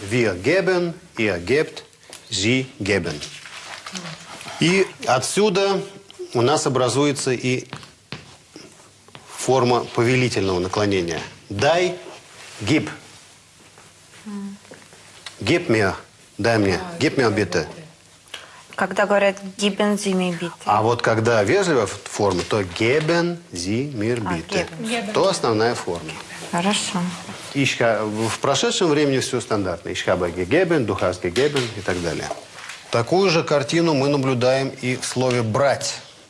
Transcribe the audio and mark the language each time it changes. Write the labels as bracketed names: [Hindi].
[German] Wir geben, ihr gebt, sie geben. [Russian] И отсюда у нас образуется и форма повелительного наклонения. Дай, gib. [German] Gib mir, [Russian] дай мне. [German] Gib mir bitte. [Russian] Когда говорят [German] geben Sie mir bitte. [Russian] А вот когда вежливая форма, то [German] geben Sie mir bitte. [Russian] То основная форма. Хорошо. В прошедшем времени все стандартно. [German] Ich habe gegeben, du hast gegeben [Russian] и так далее. Такую же картину мы наблюдаем и в слове «брать».